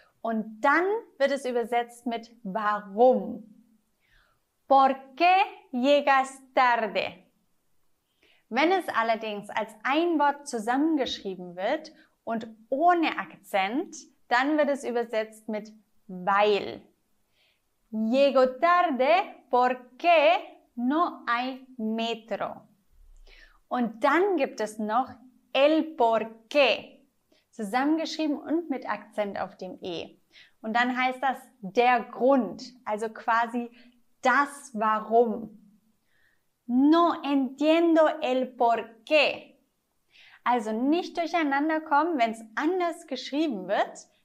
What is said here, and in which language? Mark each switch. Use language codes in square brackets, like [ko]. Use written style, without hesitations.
[de] Und dann wird es übersetzt mit warum. [es] ¿Por qué llegas tarde? [de] Wenn es allerdings als ein Wort zusammengeschrieben wird und ohne Akzent, dann wird es übersetzt mit weil. [es] Llego tarde porque no hay metro. [de] Und dann gibt es noch el porqué, zusammengeschrieben und mit Akzent auf dem E. Und dann heißt das der Grund, also quasi das Warum. [es] No entiendo el porqué. [de] Also nicht durcheinander kommen, wenn es anders geschrieben wird.